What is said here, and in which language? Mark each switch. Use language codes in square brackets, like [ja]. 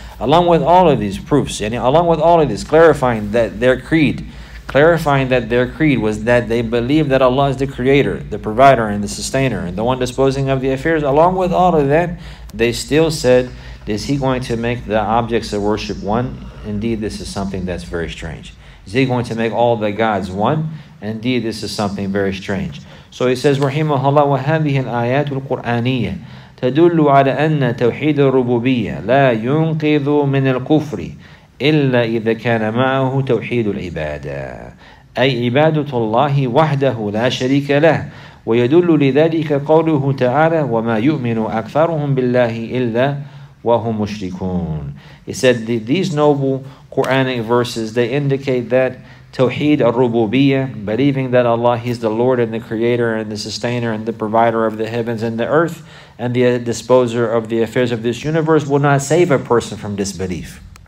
[en] Along with all of these proofs, along with all of this, clarifying that their creed, clarifying that their creed was that they believe that Allah is the creator, the provider, and the sustainer, and the one disposing of the affairs. Along with all of that, they still said Is he going to make the objects of worship one? Indeed, this is something that's very strange. Is he going to make all the gods one? Indeed, this is something very strange. So he says, [ar] رحمه الله وهذه الآيات القرآنية تدل على أن توحيد الربوبية لا ينقذ من الكفر إلا إذا كان معه توحيد العبادة أي عبادة الله وحده لا شريك له ويدل لذلك قوله تعالى وما يؤمن أكثرهم بالله إلا وهم مشركون. [en] He said these noble Quranic verses, they indicate that Tawheed al-Rububiyyah, believing that Allah, He's the Lord and the Creator and the Sustainer and the Provider of the heavens and the earth and the Disposer of the affairs of this universe, will not save a person from disbelief.